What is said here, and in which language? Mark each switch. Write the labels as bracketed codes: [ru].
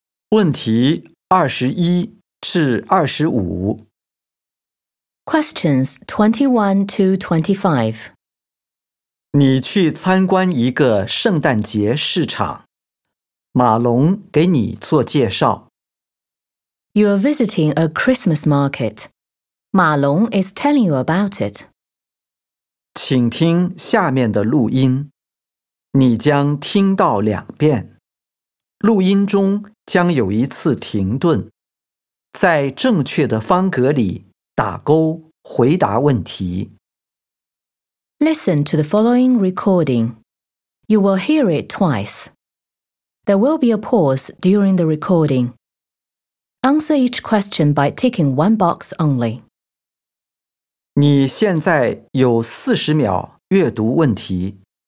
[zh] 问题21至25。 [en] Questions 21 to 25。 [zh] 你去参观一个圣诞节市场，马龙给你做介绍。 [en] You are visiting a Christmas market. Ma Long is telling you about it. [zh] 请听下面的录音，你将听到两遍。录音中将有一次停顿，在正确的方格里打勾回答问题。 [en] Listen to the following recording. You will hear it twice. There will be a pause during the recording. Answer each question by ticking one box only. [zh] 你现在有40秒阅读问题。